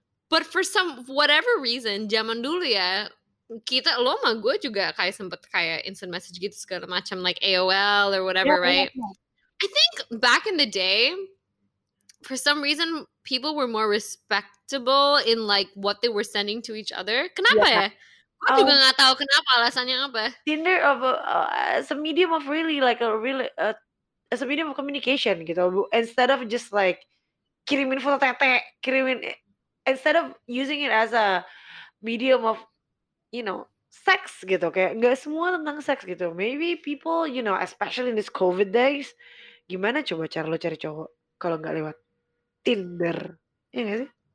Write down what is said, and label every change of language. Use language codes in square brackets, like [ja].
[en] But for some whatever reason, [id] zaman dulu ya, kita lo sama gue juga kayak sempet kayak instant message gitu segala macam [en] like AOL or whatever, right? Yeah. I think back in the day, for some reason, people were more respectable in like what they were sending to each other. [id] Kenapa ya? Aku juga nggak tahu kenapa alasannya apa. [en] Tinder of as a medium of really like a really as a medium of communication gitu. Instead of just like [id] kirimin foto tete, kirimin [en] instead of using it as a medium of you know sex gitu. [id] Kayak nggak semua tentang seks gitu. [en] Maybe people you know especially in this COVID days, [id] gimana coba cara lo cari cowok kalau nggak lewat Tinder? Iya nggak sih?